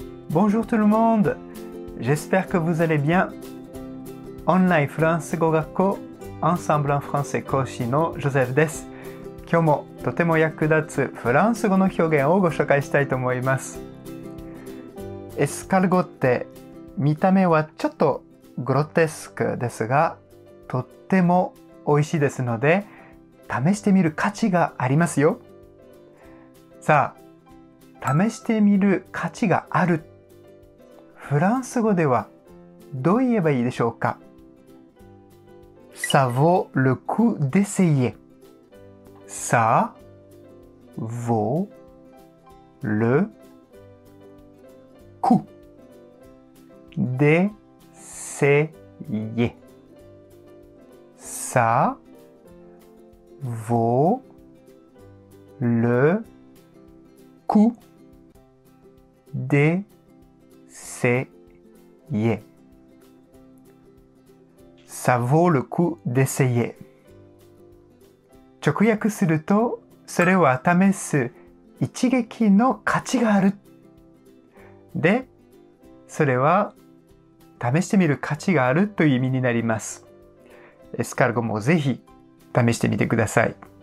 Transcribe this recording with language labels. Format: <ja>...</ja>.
<fr>Bonjour tout le monde, j'espère que vous allez bien.</fr> <ja>Online France Go Gakko Ensemble en Français 講師のジョゼフです。今日もとても役立つフランス語の表現をご紹介したいと思います。エスカルゴって見た目はちょっとグロテスクですが、とっても美味しいですので、試してみる価値がありますよ。さあ、試してみる価値がある、フランス語ではどう言えばいいでしょうか。</ja> <fr>Ça vaut le coup d'essayer. Ça vaut le coup d'essayer. Ça vaut le coup d'essayer. Ça vaut le coup d'essayer.</fr> <ja>直訳すると、それは試す一撃の価値がある。で、それは試してみる価値があるという意味になります。エスカルゴもぜひ試してみてください。</ja>